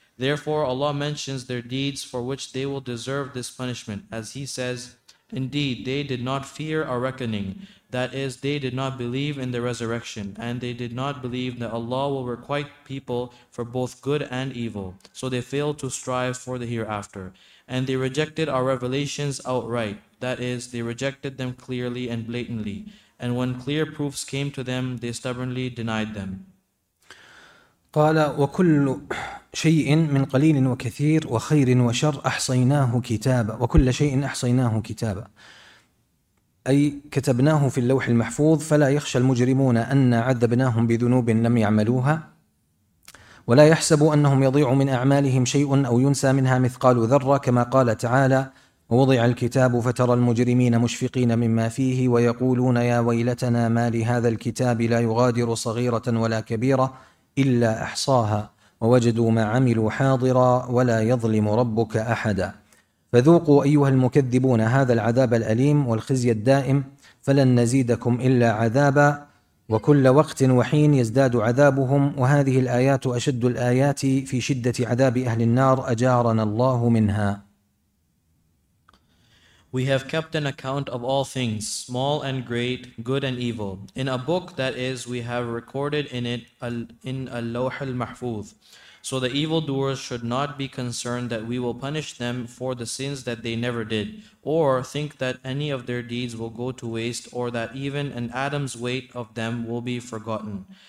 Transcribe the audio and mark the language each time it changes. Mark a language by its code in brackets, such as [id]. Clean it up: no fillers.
[en] Therefore, Allah mentions their deeds for which they will deserve this punishment, as He says, Indeed, they did not fear a reckoning, that is, they did not believe in the resurrection, and they did not believe that Allah will requite people for both good and evil, so they failed to strive for the hereafter. And they rejected our revelations outright, that is, they rejected them clearly and blatantly, and when clear proofs came to them, they stubbornly denied them. [ar] قال وكل شيء من قليل وكثير وخير وشر أحصيناه كتابا وكل شيء أحصيناه كتابا أي كتبناه في اللوح المحفوظ فلا يخشى المجرمون أن عذبناهم بذنوب لم يعملوها ولا يحسب أنهم يضيع من أعمالهم شيء أو ينسى منها مثقال ذرة كما قال تعالى ووضع الكتاب فترى المجرمين مشفقين مما فيه ويقولون يا ويلتنا ما لهذا الكتاب لا يغادر صغيرة ولا كبيرة إلا أحصاها ووجدوا ما عملوا حاضرا ولا يظلم ربك أحدا فذوقوا أيها المكذبون هذا العذاب الأليم والخزي الدائم فلن نزيدكم إلا عذابا وكل وقت وحين يزداد عذابهم وهذه الآيات أشد الآيات في شدة عذاب أهل النار أجارنا الله منها. [en] We have kept an account of all things, small and great, good and evil, in a book that is, we have recorded in it in a lawh al-mahfuz. So the evildoers should not be concerned that we will punish them for the sins that they never did, or think that any of their deeds will go to waste, or that even an atom's weight of them will be forgotten.